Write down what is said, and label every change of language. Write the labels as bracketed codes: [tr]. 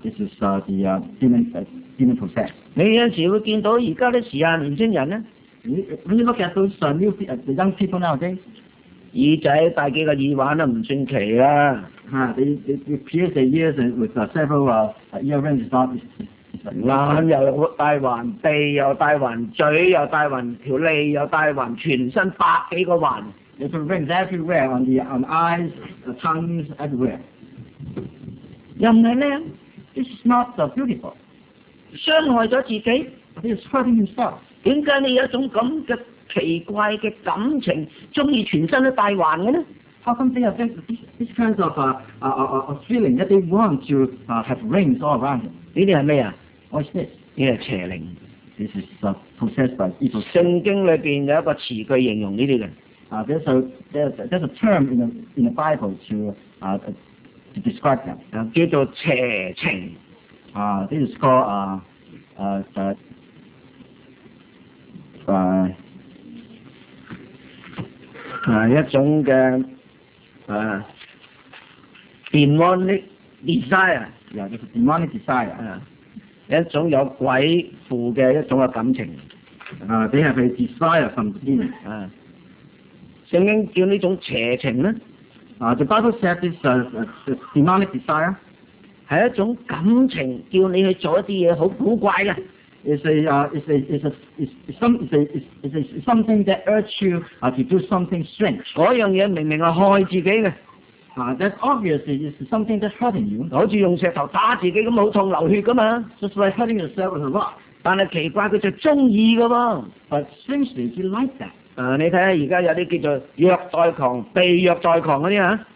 [en] This is the demon。 [yue] 你有陣時會見到而家啲時下年青人咧 [en] ，You look at those new young people nowadays。 [yue] 耳仔戴幾個耳環都唔算奇啦。 [en] They pierce their ears with several earrings is not。 [yue] 眼又戴環，鼻又戴環，嘴又戴環，條脷又戴環，全身百幾個環。 [en] There's rings everywhere on the eyes, the tongues everywhere。 [yue] 又唔係靚 [en] ，This is not so beautiful。 [yue] 傷害咗自己 [en] ，he is hurting himself。 [yue] 點解你有一種咁嘅奇怪嘅感情，中意全身都戴環嘅咧 [en] ？How come they have this kind of feeling that they want to have rings all around？ [yue] 呢啲係咩啊 [en] ？What is this？ [yue] 呢個邪靈。 [en] This is possessed by evil。 [yue] 聖經裏邊有一個詞句形容呢啲嘅。 [en] There's a term in the Bible to describe them。 [yue] 叫做邪情。 [en] This is called [yue] 一種嘅demonic desire。就是 [en] demonic desire。 [yue] 一種有鬼附嘅一種嘅感情。 [en] They have a desire from the demon。 [yue] 聖經叫呢種邪情咧。 [en] The Bible says this demonic desire。 [yue] 是一種感情，叫你去做一啲嘢好古怪嘅。 [en] It's something that urges you to do something strange。 [yue] 嗰樣嘢明明係害自己嘅。 [en] That obviously is something that's hurting you。 [yue] 好似用石頭打自己咁，好痛流血噶嘛。 [en] Just like hurting yourself with a rock。 [yue] 但係奇怪，佢就中意嘅喎。 [en] But strangely, he likes that。 [yue] 你睇下而家有啲叫做虐待狂、被虐待狂嗰啲啊。